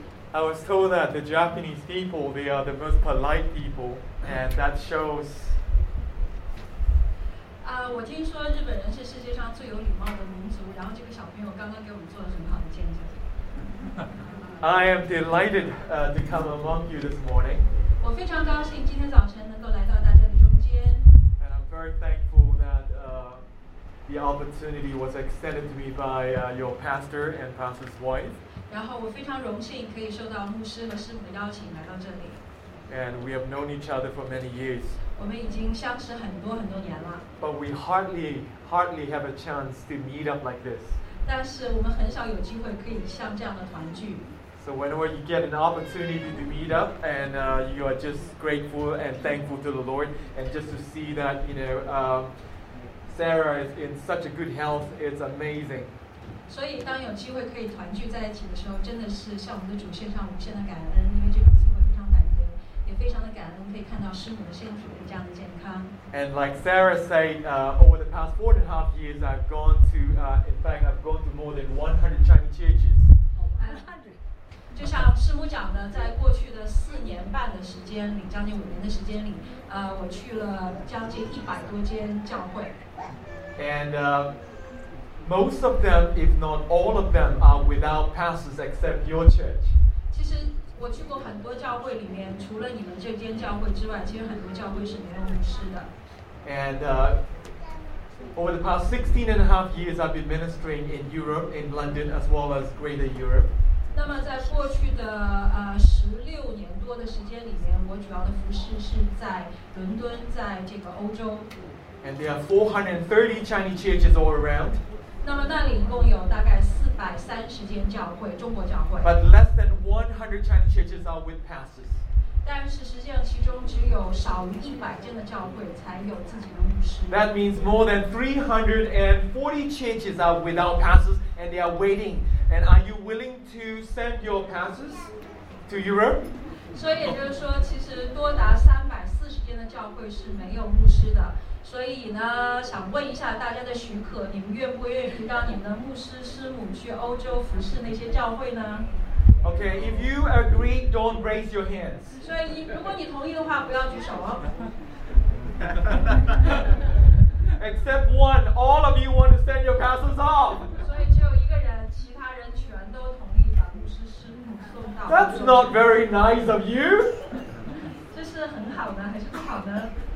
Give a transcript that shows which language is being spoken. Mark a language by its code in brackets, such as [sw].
[en] I was told that the Japanese people, they are the most polite people, and that shows. [zh] 我听说日本人是世界上最有礼貌的民族，然后这个小朋友刚刚给我们做了很好的见证。 [en] I am delighted, to come among you this morning. [zh] 我非常高兴今天早晨能够来到大家的中间。 [en] And I'm very thankful that, the opportunity was extended to me by, your pastor and pastor's wife. [zh] 然后我非常荣幸可以受到牧师和师母的邀请来到这里。 [en] And we have known each other for many years. [zh] 我们已经相识很多很多年了。 [en] But we hardly have a chance to meet up like this. [zh] 但是我们很少有机会可以像这样的团聚。 [en] So whenever you get an opportunity to meet up, and you are just grateful and thankful to the Lord, and just to see that you know, Sarah is in such a good health, it's amazing. [zh] 所以当有机会可以团聚在一起的时候真的是向我们的主献上无限的感恩因为这个机会非常难得也非常的感恩可以看到师母的身体这样的健康 [en] And like Sarah said, over the past 4.5 years I've gone to, in fact I've gone to more than 100 Chinese churches [zh] 就像师母讲的在过去的4.5年的时间里将近5年的时间里我去了将近100多间教会 [en] AndMost of them, if not all of them, are without pastors except your church. [zh] 其实我去过很多教会里面，除了你们这间教会之外，其实很多教会是没有牧师的。 [en] And over the past 16.5 years, I've been ministering in Europe, in London, as well as Greater Europe. [zh] 那么在过去的16年多的时间里面，我主要的服事是在伦敦，在这个欧洲。 [en] And there are 430 Chinese churches all around. [zh] 那么那里一共有大概430间教会，中国教会。 [en] But less than 100 Chinese churches are with pastors. [zh] 但是实际上，其中只有少于100间的教会才有自己的牧师。 [en] That means more than 340 churches are without pastors, and they are waiting. And are you willing to send your pastors to Europe? [zh] 所以也就是说，其实多达340间的教会是没有牧师的。所以呢，想问一下大家的许可，你们愿不愿意让你们的牧师师母去欧洲服侍那些教会呢 [en] ？Okay, if you agree, don't raise your hands. [zh] 所以如果你同意的话，不要举手哦。 [en] Except one, all of you want to send your pastors off. [zh] 所以只有一个人，其他人全都同意把牧师师母送到。 [en] That's not very nice of you. [zh] 这是很好呢，还是不好呢？